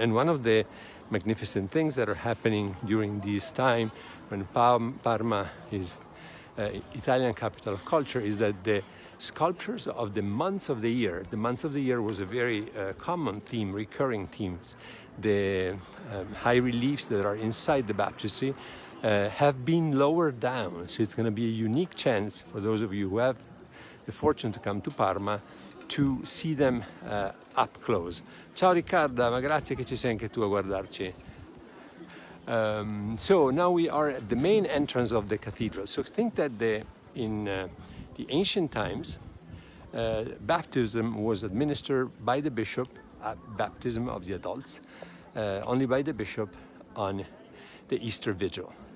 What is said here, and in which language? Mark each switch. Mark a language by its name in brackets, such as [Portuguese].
[English] And one of the magnificent things that are happening during this time when Parma is Italian capital of culture is that the sculptures of the months of the year, the months of the year was a very common theme, recurring themes. The high reliefs that are inside the baptistry have been lowered down. So it's going to be a unique chance for those of you who have the fortune to come to Parma to see them up close. [Italian] Ciao Riccardo, ma grazie che ci sei anche tu a guardarci. [English] So now we are at the main entrance of the cathedral. So think that in the ancient times, baptism was administered by the bishop, baptism of the adults, only by the bishop on the Easter Vigil.